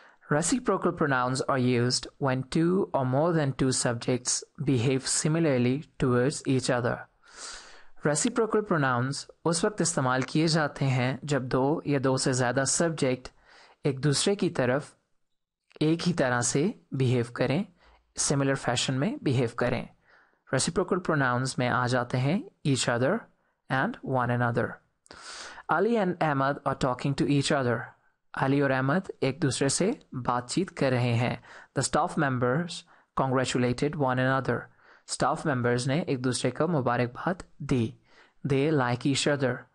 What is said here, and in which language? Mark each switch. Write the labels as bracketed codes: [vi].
[en] Reciprocal pronouns are used when two or more than two subjects behave similarly towards each other. [ur] Reciprocal pronouns اس وقت استعمال کیے جاتے ہیں جب دو یا دو سے زیادہ سبجیکٹ ایک دوسرے کی طرف ایک ہی طرح سے بیہیو کریں، سملر فیشن میں بیہیو کریں. ریسیپروکل پروناؤنز میں آ جاتے ہیں [en] Each other, and one another. Ali and Ahmed are talking to each other. [ur] Ali aur Ahmed ek dusre se baatcheet kar rahe hain. [en] The staff members congratulated one another. [ur] Staff members ne ek dusre ko mubarakbad di. [en] They like each other.